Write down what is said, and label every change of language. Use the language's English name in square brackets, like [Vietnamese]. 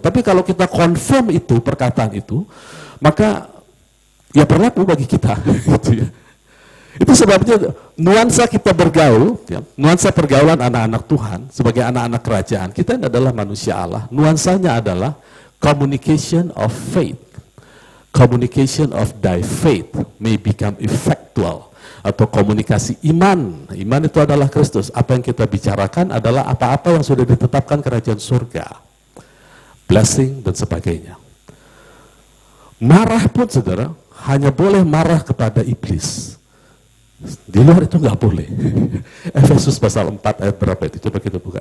[Indonesian] Tapi kalau kita confirm itu, perkataan itu, maka ya berlaku bagi kita. Gitu ya. Itu sebabnya nuansa kita bergaul, ya, nuansa pergaulan anak-anak Tuhan sebagai anak-anak kerajaan, kita ini adalah manusia Allah. Nuansanya adalah [English] communication of faith. Communication of thy faith may become effectual. [Indonesian] Atau komunikasi iman. Iman itu adalah Kristus. Apa yang kita bicarakan adalah apa-apa yang sudah ditetapkan kerajaan surga. Blessing dan sebagainya. Marah pun, saudara, hanya boleh marah kepada iblis. Di luar itu enggak boleh. Efesus pasal 4 ayat berapa itu? Coba kita buka.